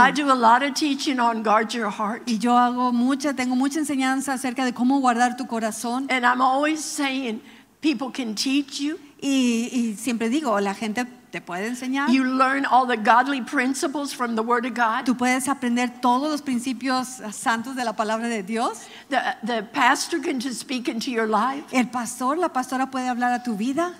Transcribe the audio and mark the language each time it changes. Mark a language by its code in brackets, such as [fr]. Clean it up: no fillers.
[en] I do a lot of teaching on guard your heart. [es] Y yo tengo mucha enseñanza acerca de cómo guardar tu corazón. [en] And I'm always saying people can teach you. [es] Y siempre digo, la gente te puede enseñar. [en] You learn all the godly principles from the Word of God. [es] Tú puedes aprender todos los principios santos de la palabra de Dios. [en] The pastor can just speak into your life. [es] El pastor, la pastora puede hablar a tu vida.